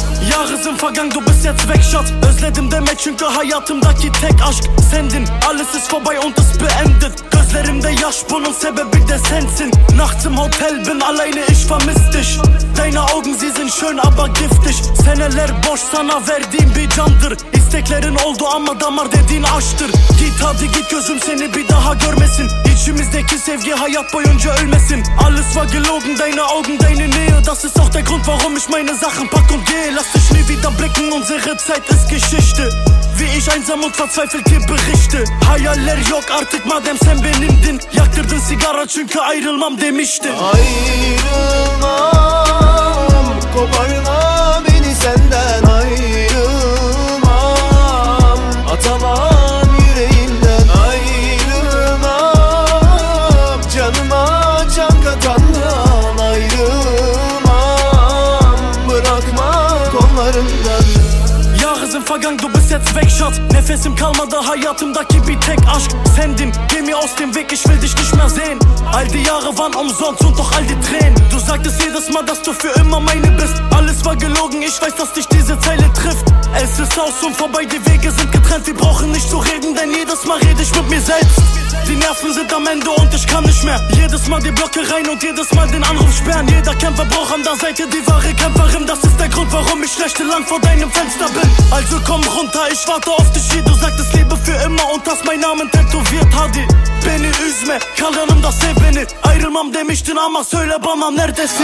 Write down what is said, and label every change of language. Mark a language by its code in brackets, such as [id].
[tr] Yarızım fagan, [de] du bist jetzt weg, Schatz. [tr] Özledim demek çünkü hayatımdaki tek aşk sendin. [de] Alles ist vorbei und es beendet. [tr] Gözlerimde yaş, bunun sebebi de sensin. [de] Nachts im Hotel bin alleine, ich vermiss dich. Deine Augen, sie sind schön, aber giftig. [tr] Seneler boş, sana verdiğim bir candır. İsteklerin oldu ama damar dediğin aştır. Git hadi git, gözüm seni bir daha görmesin. İçimizdeki sevgi hayat boyunca ölmesin. [de] Alles war gelogen, deine Augen, deine Nähe. Das ist auch der Grund, warum ich meine Sachen pack und gehe. Lass dich nie wieder blicken, unsere Zeit ist Geschichte. Wie ich einsam und verzweifelt dir berichte. [tr] Hayaller yok artık, madem sen benimdin. Yaktırdın sigara çünkü ayrılmam demiştin. Ayrılmam, koparma beni senden. Ayrılmam, atamam yüreğimden. Ayrılmam, canıma can katandan. Ayrılmam, bırakma kollarından. Yağızın fagan, [de] du bist jetzt weg, Schatz. [tr] Nefesim kalmadı, hayatımdaki bir tek aşk sendin. [de] Geh mir aus dem Weg, ich will dich nicht mehr sehen. All die Jahre waren umsonst und doch all die Tränen. Du sagtest jedes Mal, dass du für immer meine bist. Alles war gelogen, ich weiß, dass dich diese Zeile trifft. Es ist aus und vorbei, die Wege sind getrennt. Wir brauchen nicht zu reden, denn jedes Mal rede ich mit mir selbst. Die Nerven sind am Ende und ich kann nicht mehr. Jedes Mal die Blöcke rein und jedes Mal den Anruf sperren. Jeder Kämpfer braucht an der Seite die wahre Kämpferin. Das ist der Grund, warum ich schlechte lang vor deinem Fenster bin. Also komm runter, ich warte auf dich hier. Du sagtest Liebe für immer und hast meinen Namen tätowiert. [tr] Hadi beni üzme, kalanım da sev beni. Ayrılmam demiştin ama söyle bana neredesin.